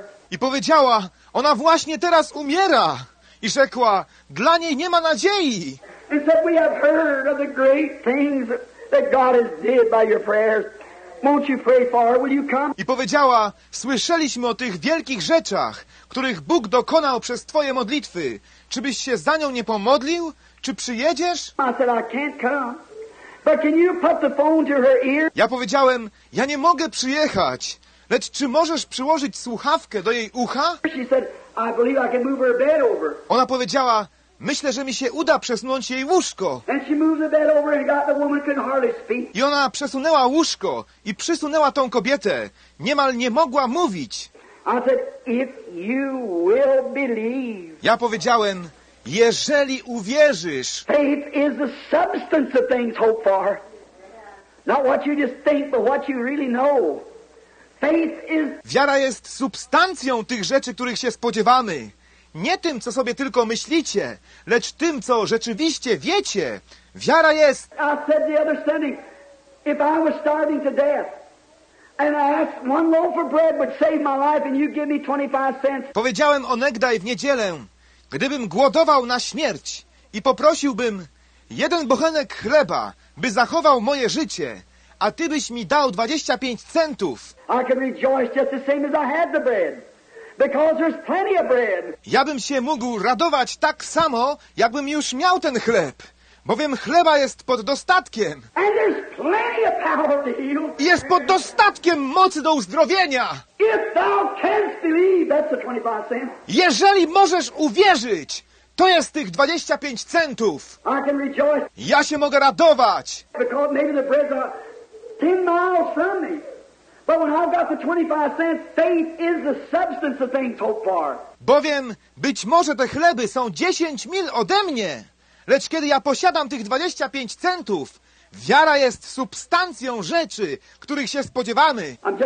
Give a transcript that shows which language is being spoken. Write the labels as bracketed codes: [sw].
[pl] I powiedziała: ona właśnie teraz umiera. I rzekła: dla niej nie ma nadziei. [en] and said, "We have heard of the great things that God has did by your prayers. Won't you pray for her? Will you come?" [pl] I powiedziała: "Słyszeliśmy o tych wielkich rzeczach, których Bóg dokonał przez twoje modlitwy. Czy byś się za nią nie pomodlił? Czy przyjedziesz?" [en] I said, "I can't come. But can you put the phone to her ear?" [pl] Ja powiedziałem: "Ja nie mogę przyjechać, lecz czy możesz przyłożyć słuchawkę do jej ucha?" [en] She said, "I believe I can move her bed over." [pl] Ona powiedziała: "Myślę, że mi się uda przesunąć jej łóżko." [en] And she moved the bed over and got the woman couldn't hardly speak. [pl] I ona przesunęła łóżko i przysunęła tą kobietę. Niemal nie mogła mówić. [en] I said, "If you will believe." [pl] Ja powiedziałem: "Jeżeli uwierzysz." [en] Faith is the substance of things hoped for. Not what you just think, but what you really know. Faith is... [pl] Wiara jest substancją tych rzeczy, których się spodziewamy. Nie tym, co sobie tylko myślicie, lecz tym, co rzeczywiście wiecie. Wiara jest... [en] I said the other Sunday, if I was starving to death, and I asked, one loaf of bread would save my life, and you give me 25 cents. [pl] Powiedziałem onegdaj w niedzielę: "Gdybym głodował na śmierć i poprosiłbym jeden bochenek chleba, by zachował moje życie, a ty byś mi dał 25 centów, [en] I could rejoice just the same as I had the bread, because there's plenty of bread. [pl] Ja bym się mógł radować tak samo, jakbym już miał ten chleb, bowiem chleba jest pod dostatkiem. [en] And there's plenty of power to heal. [pl] Jest pod dostatkiem mocy do uzdrowienia. [en] If thou canst believe, that's the 25 cents. [pl] Jeżeli możesz uwierzyć, to jest tych 25 centów. [en] I can rejoice. [pl] Ja się mogę radować. [en] Because maybe the bread's 10 miles from me. But when I've got the 25 cents, faith is the substance of things hoped for. [pl] Bowiem być może te chleby są 10 mil ode mnie. Lecz kiedy ja posiadam tych 25 centów, wiara jest substancją rzeczy, których się spodziewamy.